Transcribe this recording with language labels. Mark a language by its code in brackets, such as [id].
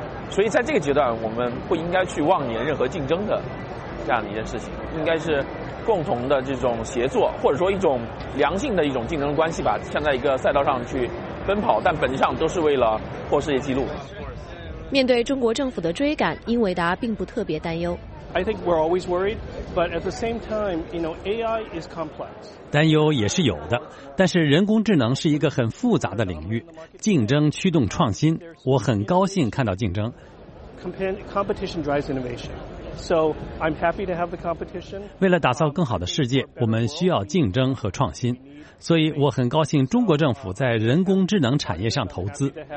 [zh] 所以在这个阶段，我们不应该去妄言任何竞争的这样的一件事情，应该是共同的这种协作，或者说一种良性的一种竞争关系吧，像在一个赛道上去奔跑，但本质上都是为了破世界纪录。面对中国政府的追赶，英伟达并不特别担忧。 [en] I think we're always worried, but at the same time, you know, AI is complex. [zh] 担忧也是有的，但是人工智能是一个很复杂的领域，竞争驱动创新，我很高兴看到竞争。 [en] Competition drives innovation. So, I'm happy to have the competition. [zh] 为了打造更好的世界，我们需要竞争和创新，所以我很高兴中国政府在人工智能产业上投资。